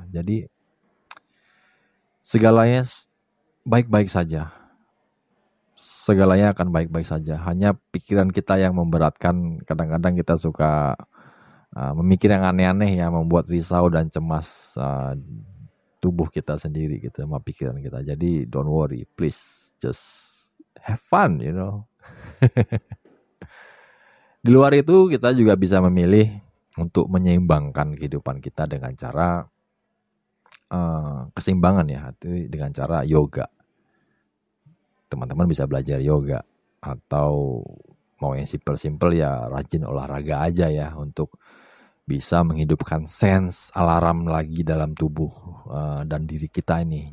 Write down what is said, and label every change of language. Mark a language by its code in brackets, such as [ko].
[id] Jadi segalanya baik-baik saja. Segalanya akan baik-baik saja. Hanya pikiran kita yang memberatkan, kadang-kadang kita suka memikir yang aneh-aneh ya, membuat risau dan cemas tubuh kita sendiri gitu sama pikiran kita. [en] Jadi don't worry, please just have fun, you know. [id] Di luar itu kita juga bisa memilih untuk menyeimbangkan kehidupan kita dengan cara keseimbangan ya, dengan cara yoga. Teman-teman bisa belajar yoga, atau mau yang simple-simple ya rajin olahraga aja ya, untuk bisa menghidupkan sense alarm lagi dalam tubuh dan diri kita ini.